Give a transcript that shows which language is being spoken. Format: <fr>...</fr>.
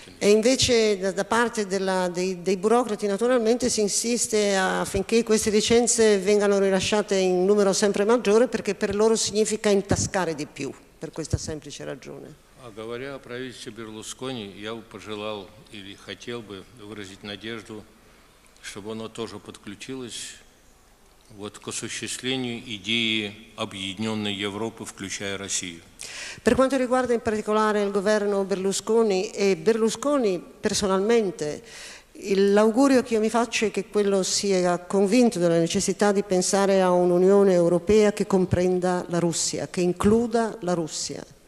<it>E invece da parte dei burocrati naturalmente si insiste affinché queste licenze vengano rilasciate in numero sempre maggiore, perché per loro significa intascare di più. Per questa semplice ragione.</it> <ru>А говоря о правительстве Берлускони, я бы пожелал или хотел бы выразить надежду, чтобы оно тоже подключилось вот к осуществлению идеи объединенной Европы, включая Россию.</ru> <it>Per quanto riguarda in particolare il governo Berlusconi e Berlusconi personalmente, l'augurio che io mi faccio è che quello sia convinto della necessità di pensare a un'Unione Europea che comprenda la Russia, che includa la Russia.</it>